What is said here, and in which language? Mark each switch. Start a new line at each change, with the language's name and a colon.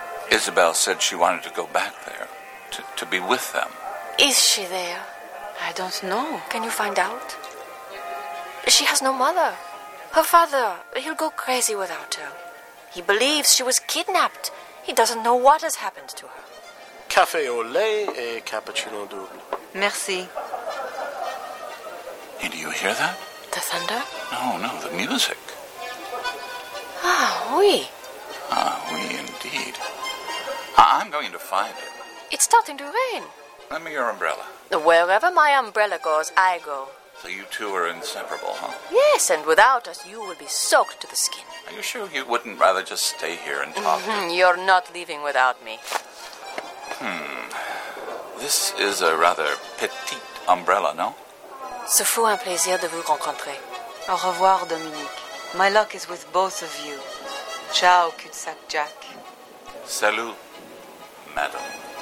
English: Isabel said she wanted to go back there, to be with them. Is she there? I don't know. Can you find out? She has no mother. Her father, he'll go crazy without her. He believes she was kidnapped. He doesn't know what has happened to her.
French: Café au lait et cappuccino double. Merci.
English: Hey, do you hear that? The thunder? No, the music.
French: Ah, oui. Ah, oui,
English: indeed. I'm going to find it. It's starting to rain. Lend me your umbrella. Wherever my umbrella goes, I go. So you two are inseparable, huh? Yes, and without us, you will be soaked to the skin. Are you sure you wouldn't rather just stay here and talk? You're not leaving without me. This is a rather petite umbrella, no?
French: Ce fut un plaisir de vous rencontrer. Au revoir, Dominique.
English: My luck is with both of you. Ciao, cul-de-sac Jack.
French: Salut, madame.